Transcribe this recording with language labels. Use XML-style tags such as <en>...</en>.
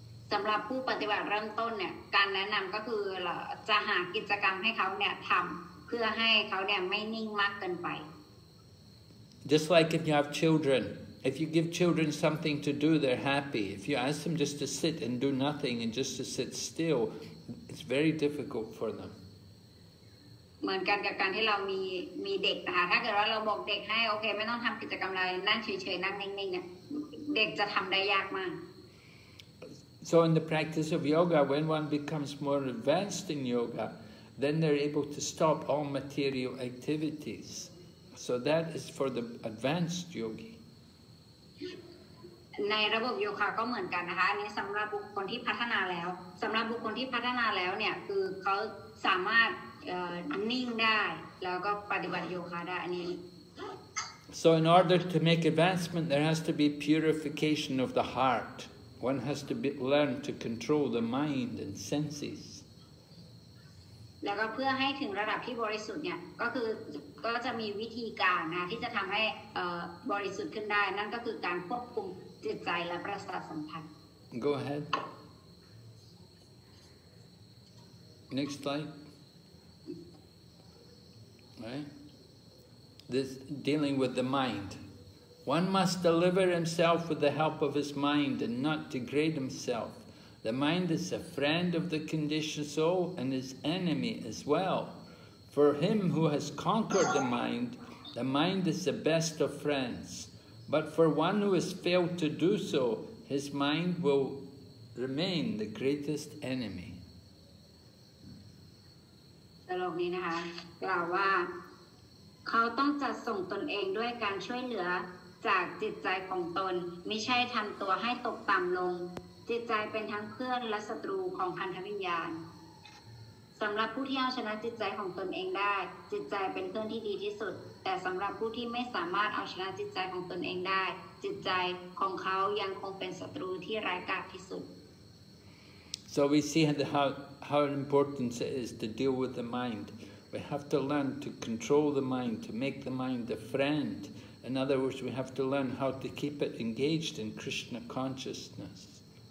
<en>Just like if you have children If you give children something to do, they're happy. If you ask them just to sit and do nothing and just to sit still, it's very difficult for them.</en> <th>เหมือนกันกับการที่เรามีเด็กนะคะถ้าเกิดว่าเราบอกเด็กให้โอเคไม่ต้องทำกิจกรรมอะไรนั่งเฉยๆนั่งนิ่งๆเนี่ยเด็กจะทำได้ยากมาก</th> <en>So in the practice of yoga, when one becomes more advanced in yoga, then they're able to stop all material activities. So that is for the advanced yogi.</en> <th>ในระบบโยคะก็เหมือนกันนะคะอันนี้สำหรับบุคคลที่พัฒนาแล้วสำหรับบุคคลที่พัฒนาแล้วเนี่ยคือเขาสามารถนิ่งได้แล้วก็ปฏิบัติโยคะได้อันนี้</th> <en>So in order to make advancement, there has to be purification of the heart. One has to learn to control the mind and senses.</en> <th>แล้วก็เพื่อให้ถึงระดับที่บริสุทธิ์เนี่ยก็จะมีวิธีการนะที่จะทำให้บริสุทธิ์ขึ้นได้นั่นก็คือการควบคุมจิตใจและประสาทสัมผัส</th> <en>Go ahead. Next slide. Right? This dealing with the mind. One must deliver himself with the help of his mind and not degrade himself. The mind is a friend of the conditioned soul and his enemy as well. For him who has conquered the mind is the best of friends. But for one who has failed to do so, his mind will remain the greatest enemy.</en> <th>ตลกนี้นะคะกล่าวว่าเขาต้องจัดส่งตนเองด้วยการช่วยเหลือจากจิตใจของตนไม่ใช่ทำตัวให้ตกต่ำลงจิตใจเป็นทั้งเพื่อนและศัตรูของพันธวิญญาณสำหรับผู้ที่เอาชนะจิตใจของตนเองได้จิตใจเป็นเพื่อนที่ดีที่สุดแต่สำหรับผู้ที่ไม่สามารถเอาชนะจิตใจของตนเองได้จิตใจของเขายังคงเป็นศัตรูที่ร้ายกาจที่สุด</th> <en>So we see the how important it is to deal with the mind. We have to learn to control the mind, to make the mind a friend. In other words, we have to learn how to keep it engaged in Krishna consciousness.</en>